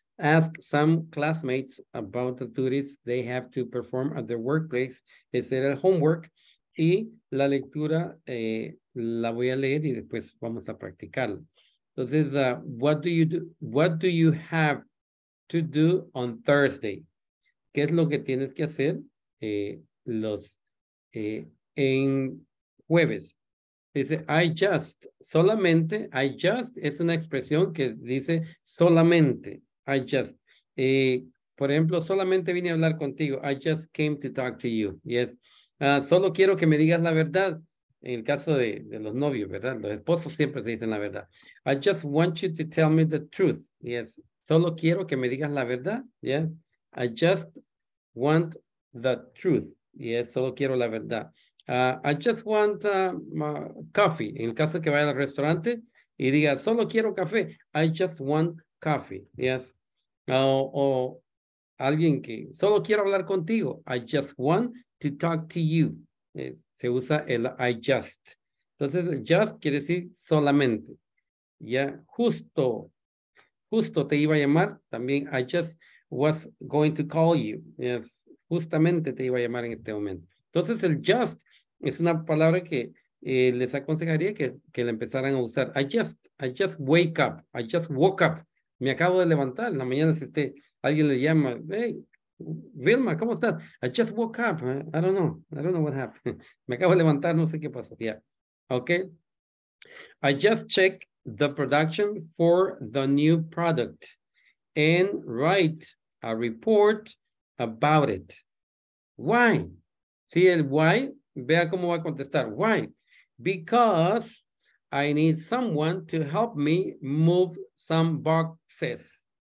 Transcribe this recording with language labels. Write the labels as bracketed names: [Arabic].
[English] Ask some classmates about the duties they have to perform at their workplace. [Spanish] Ese era el homework. Y la lectura la voy a leer y después vamos a practicarla. [English] Entonces, what do you have to do on Thursday? [Spanish] ¿Qué es lo que tienes que hacer en jueves? Dice, [English] I just, [Spanish] es una expresión que dice solamente, I just. Por ejemplo, solamente vine a hablar contigo, [English] I just came to talk to you, yes. [Spanish] Solo quiero que me digas la verdad, en el caso de los novios, ¿verdad? Los esposos siempre se dicen la verdad. [English] I just want you to tell me the truth, yes. [Spanish] Solo quiero que me digas la verdad, [English] yes. I just want the truth, yes, [Spanish] solo quiero la verdad. [English] I just want coffee. [Spanish] En el caso que vaya al restaurante y diga, solo quiero café. [English] I just want coffee. Yes. [Spanish] O alguien que, solo quiero hablar contigo. [English] I just want to talk to you. [Spanish] Se usa el [English] I just. [Spanish] Entonces, just quiere decir solamente. Ya, justo te iba a llamar. [English] También, I just was going to call you. Yes. [Spanish] Justamente te iba a llamar en este momento. Entonces, el just es una palabra que les aconsejaría que la empezaran a usar. [English] I just wake up. I just woke up. [Spanish] Me acabo de levantar. En la mañana, si alguien le llama, hey, [English] Vilma, [Spanish] ¿cómo estás? [English] I just woke up. I don't know what happened. [Spanish] Me acabo de levantar, no sé qué pasó. Yeah. Okay. [English] I just checked the production for the new product and write a report about it. Why? [Spanish] Sí, el why, vea cómo va a contestar. [English] Why? Because I need someone to help me move some boxes.